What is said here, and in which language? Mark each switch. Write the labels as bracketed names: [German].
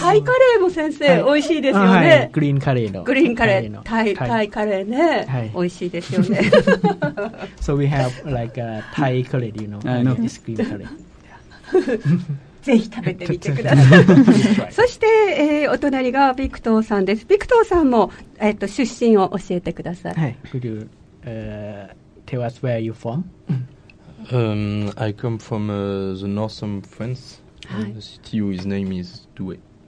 [Japanese] タイカレーも先生美味しいですよね。グリーンカレーの。グリーンカレー。タイカレーね。美味しいですよね。 [English] So we have like a Thai curry, you know, and this green curry. [Japanese] ぜひ食べてみてください。そしてお隣がビクトーさんです。ビクトーさんも出身を教えてください。 [English] Could you tell us where you from? I come from the northern France, the city whose name is Douai.